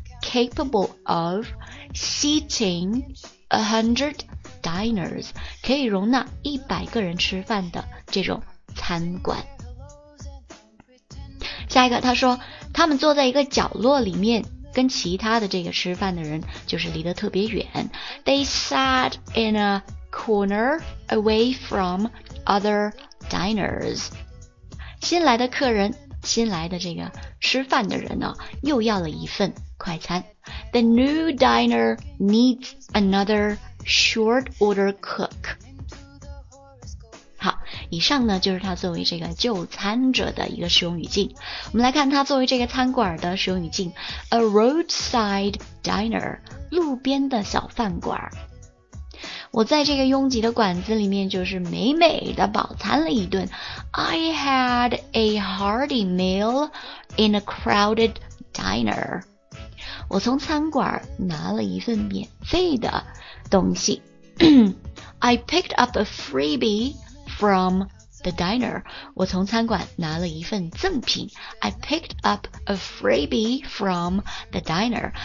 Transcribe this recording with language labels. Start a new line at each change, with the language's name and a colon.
English: capable of seating 100 diners,
Chinese: 可以容纳100个人吃饭的这种餐馆。下一个，他说他们坐在一个角落里面，跟其他的这个吃饭的人就是离得特别远。
English: They sat in a corner away from other diners.
Chinese: 新来的客人，新来的这个吃饭的人呢、哦、又要了一份快餐。
English: The new diner needs another short order cook.
Chinese: 好，以上呢就是他作为这个就餐者的一个使用语境。我们来看他作为这个餐馆的使用语境。
English: A roadside diner,
Chinese: 路边的小饭馆。我在这个拥挤的馆子里面就是美美的饱餐了一顿。
English: I had a hearty meal in a crowded diner.
Chinese: 我从餐馆拿了一份免费的东西。
English: I picked up a freebie from the diner.
Chinese: 我从餐馆拿了一份赠品。
English: I picked up a freebie from the diner.